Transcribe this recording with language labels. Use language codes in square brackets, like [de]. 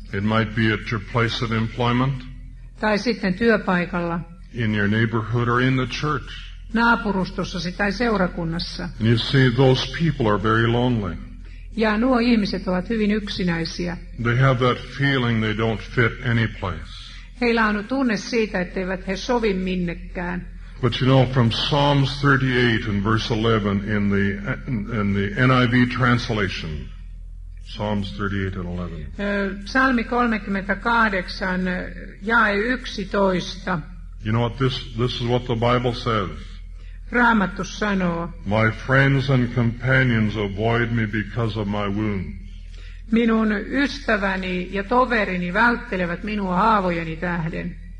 [en] It might be at your place of employment. [fi] Tai sitten työpaikalla. [en] In your neighborhood or in the church. [fi] Naapurustossasi tai seurakunnassa. [en] And you see, those people are very lonely. [fi] Ja nuo ihmiset ovat hyvin yksinäisiä. [en] They have that feeling they don't fit any place. [fi] Heillä on tunne siitä, etteivät he sovi minnekään. [en] But you know, from Psalms 38 and verse 11 in the NIV translation, Psalms 38 and [fi] 11. Psalmi 38:11. [en] You know what this is what the Bible says. [fi] Raamattu sanoo. [en] My friends and companions avoid me because of my wounds. [fi] Minun ystäväni ja toverini välttelevät minua haavojeni tähden.